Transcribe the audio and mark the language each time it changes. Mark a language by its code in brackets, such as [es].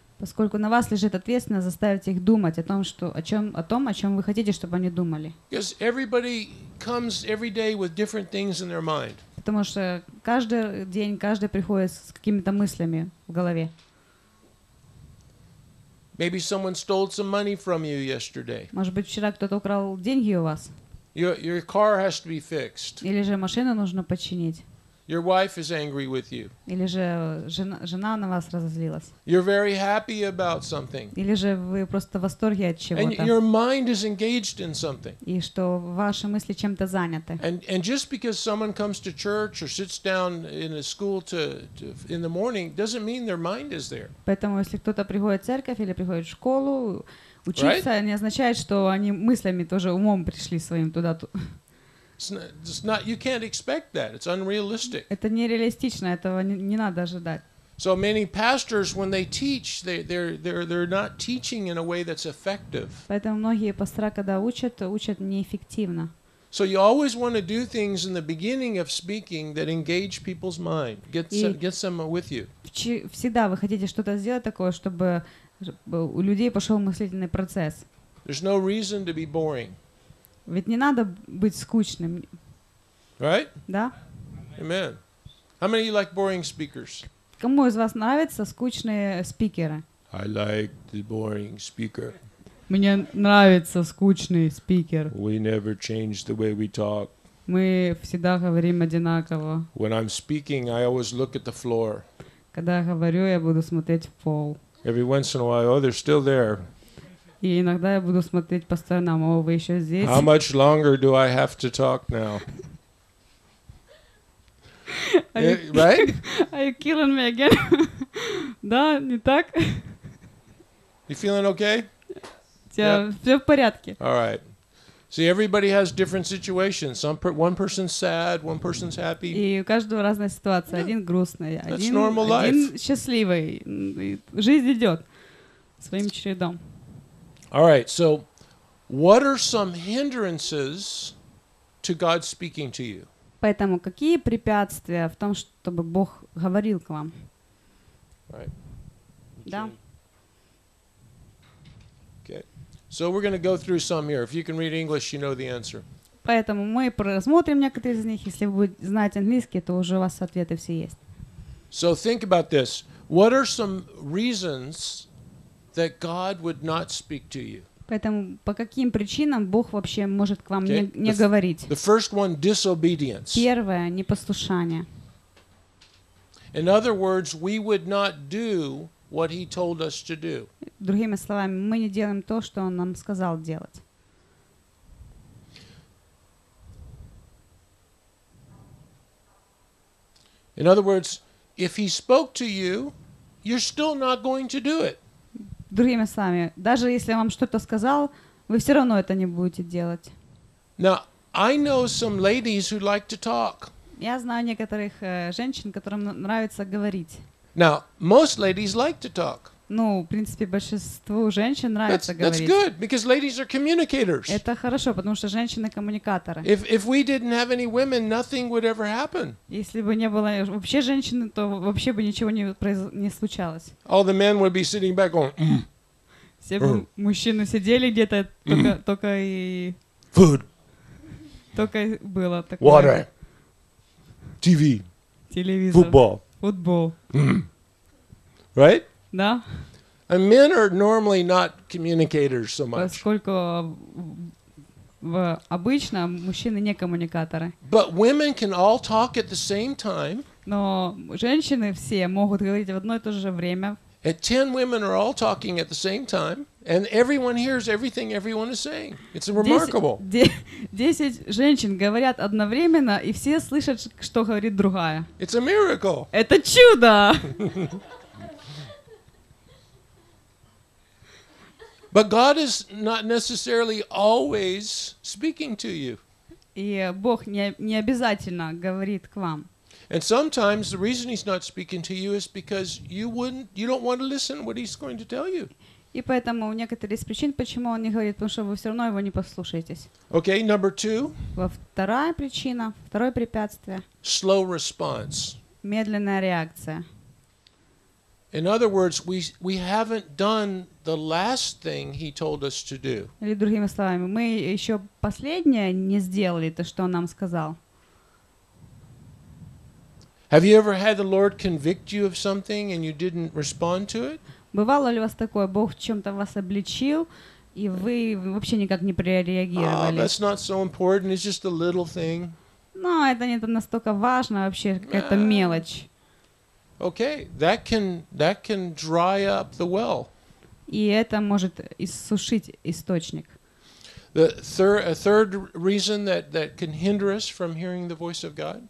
[ru] Поскольку на вас лежит ответственность заставить их думать о том, что, о том, о чем вы хотите, чтобы они думали. [en] Because everybody comes every day with different things in their mind. [ru] Потому что каждый день каждый приходит с какими-то мыслями в голове. [en] Maybe someone stole some money from you yesterday. [ru] Может быть, вчера кто-то украл деньги у вас. [en] Your car has to be fixed. [ru] Или же машину нужно починить. [en] Your wife is angry with you. [ru] Или же жена на вас разозлилась. [en] You're very happy about something. [ru] Или же вы просто в восторге от чего-то. [en] And your mind is engaged in something. [ru] И что ваши мысли чем-то заняты. [en] And just because someone comes to church or sits down in a school to in the morning doesn't mean their mind is there. [ru] Поэтому если кто-то приходит в церковь или приходит в школу учиться, не означает, что они мыслями тоже умом пришли своим туда. [en] It's not, you can't expect that. It's unrealistic. [ru] Это нереалистично, этого не надо ожидать. [en] So many pastors, when they teach, they're not teaching in a way that's effective. [ru] Поэтому многие пастора, когда учат, учат неэффективно. [en] So you always want to do things in the beginning of speaking that engage people's mind, gets them with you. [ru] Всегда вы хотите что-то сделать такое, чтобы у людей пошел мыслительный процесс. [en] There's no reason to be boring. [ru] Ведь не надо быть скучным. [en] Right? [ru] Да. [en] Amen. How many of you like boring speakers? [ru] Кому из вас нравятся скучные спикеры? [en] I like the boring speaker. [ru] Мне нравится скучный спикер. [en] We never change the way we talk. [ru] Мы всегда говорим одинаково. [en] When I'm speaking, I always look at the floor. [ru] Когда я говорю, я буду смотреть в пол. [en] Every once in a while, oh, they're still there. [ru] И иногда я буду смотреть по сторонам. О, вы еще здесь? [en] How much longer do I have to talk now? Right? Are you killing me again? [ru] Да, не так? [en] You feeling okay? Yeah. [ru] Все в порядке. [en] All right. See, everybody has different situations. One person's sad, one person's happy. [ru] И у каждого разная ситуация. Один грустный, один счастливый. Жизнь идет своим чередом. [en] All right. So, what are some hindrances to God speaking to you? [ru] Поэтому какие препятствия в том, чтобы Бог говорил к вам? [en] Right. [ru] Да. [en] Okay. So we're going to go through some here. If you can read English, you know the answer. [ru] Поэтому мы рассмотрим некоторые из них. Если вы знаете английский, то уже у вас ответы все есть. [en] So think about this. What are some reasons that God would not speak to you? [ru] Поэтому по каким причинам Бог вообще может к вам не говорить? [en] The first one, disobedience. [ru] Первое непослушание. [en] In other words, we would not do what he told us to do. [ru] Другими словами, мы не делаем то, что он нам сказал делать. [en] In other words, if he spoke to you, you're still not going to do it. [ru] Другими словами, даже если вам что-то сказал, вы все равно это не будете делать. [en] Now, I know some ladies who like to talk. [ru] Я знаю некоторых женщин, которым нравится говорить. [en] Now, most ladies like to talk. [ru] Ну, в принципе, большинству женщин нравится [en] that's [ru] говорить. [en] That's good, because ladies are communicators. [ru] Это хорошо, потому что женщины коммуникаторы. [en] If we didn't have any women, nothing would ever happen. [ru] Если бы не было вообще женщины, то вообще бы ничего не случалось. [en] All the men would be sitting back going. [ru] Все бы мужчины сидели где-то только и. [en] Food. [ru] Только было такое. [en] Water. TV. [ru] Телевизор. [en] Football. [ru] Футбол. [en] Right? [ru] Да. [en] And men are normally not communicators so much. [ru] Поскольку обычно мужчины не коммуникаторы. [en] But women can all talk at the same time. [ru] Но женщины все могут говорить в одно и то же время. [en] And 10 women are all talking at the same time, and everyone hears everything everyone is saying. It's remarkable. [ru] 10 женщин говорят одновременно, и все слышат, что говорит другая. [en] It's a miracle. [ru] Это чудо. [en] But God is not necessarily always speaking to you. [ru] И Бог не обязательно говорит к вам. [en] And sometimes the reason he's not speaking to you is because you don't want to listen what he's going to tell you. [ru] И поэтому у некоторых из причин, почему он не говорит, потому что вы все равно его не послушаетесь. [en] Okay, number two. [ru] Во вторая причина, второе препятствие. [en] Slow response. [ru] Медленная реакция. [en] In other words, we haven't done the last thing he told us to do. [ru] Или другими словами, мы еще последнее не сделали то, что он нам сказал. [en] Have you ever had the Lord convict you of something and you didn't respond to it? [ru] Бывало ли у вас такое, Бог в чем-то вас обличил, и вы вообще никак не прореагировали? [en] That's not so important. It's just a little thing. [ru] Но это не настолько важно вообще, какая-то мелочь. [en] Okay, that can dry up the well. [ru] И это может иссушить источник. [en] A third reason that can hinder us from hearing the voice of God.